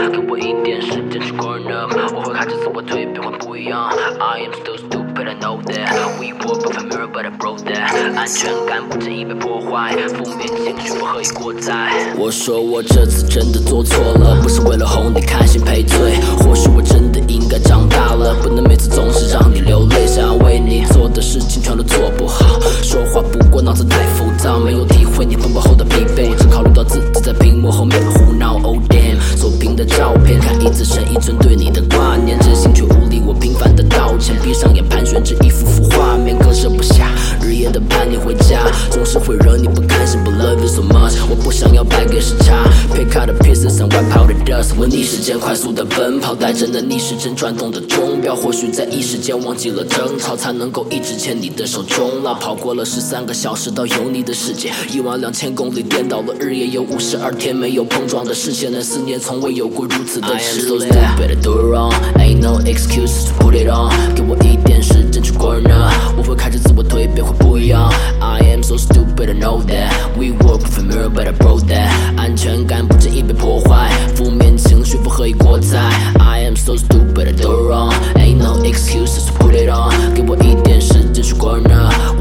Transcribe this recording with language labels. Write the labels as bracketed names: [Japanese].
[Chinese] 给我一点时间去 [English] grown up， [Chinese] 我会看着自我蜕变会不一样。 [English] I am so stupid, I know that. We were both familiar, but I broke that. [Chinese] 安全感不经意被破坏，负面情绪不合意过载。我说我这次真的做错了，不是为了哄你开心赔罪。或许我真的应该长大了，不能每次总是让你流泪。想为你做的事情全都做不好，说话不过脑子太浮躁，没有体会你风暴后的疲惫。我只考虑到自己在屏幕后面胡闹。 [English] Oh damn， [Chinese] 锁屏的照片，看一次剩一寸对你的挂念，真心却无力。我频繁的道歉，闭上眼盘旋着一幅幅画面，割舍不下，日夜的盼你回家，总是会惹你不开心。 [English] But love you so much， [Chinese] 我不想要白给时差。 [English] Pick out the pieces and wipe out the dust。 [Chinese] 我逆时间快速的奔跑，带着那逆时针转动的钟表，或许在一时间忘记了争吵，才能够一直牵你的手冲浪。跑过了13个小时到有你的世界，12000公里颠倒了日夜，有52天没有碰撞的视线，那思念从未有过如此的炽烈。 [English] I am so stupid, do it wrong, ain't no excuse to put it on. [Chinese] 给我一点时间去 [English] grown up， [Chinese] 我会开始自我蜕变，会不一样。 [English] I am so stupid, I know that. We were familiar, but I broke that. [Chinese] 安全感不经意被破坏，负面情绪不合意过载。 [English] I am so stupid, I do it wrong, ain't no excuse to put it on. [Chinese] 给我一点时间去 [English] grown up。